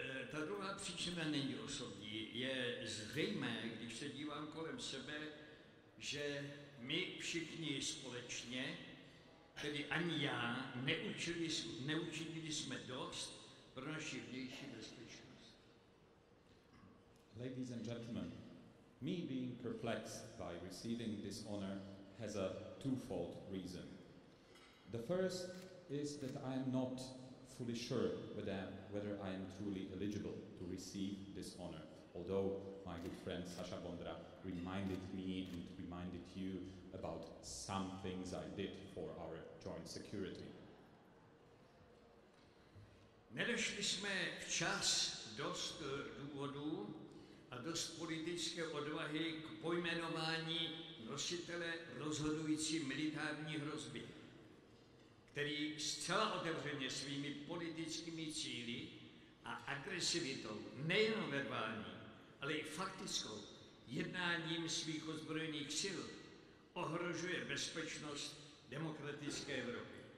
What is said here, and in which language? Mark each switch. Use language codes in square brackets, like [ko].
[cs] Ta druhá příčina není osobní. Je zřejmé, když se dívám kolem sebe, že my všichni společně, tedy ani já, neučinili jsme dost pro naši vnější bezpečnost. [en] Ladies and gentlemen, me being perplexed by receiving this honor has a twofold reason. The first is that I am not fully sure whether I am truly eligible to receive this honor, although my good friend Sasha Vondra reminded me and reminded you about some things I did for our joint security. [cs] Nedošli jsme včas dost důvodů a dost politické odvahy k pojmenování nositele rozhodující militární hrozby, který zcela otevřeně svými politickými cíly a agresivitou, nejen verbální, ale i faktickou, jednáním svých ozbrojených sil, ohrožuje bezpečnost demokratické Evropy.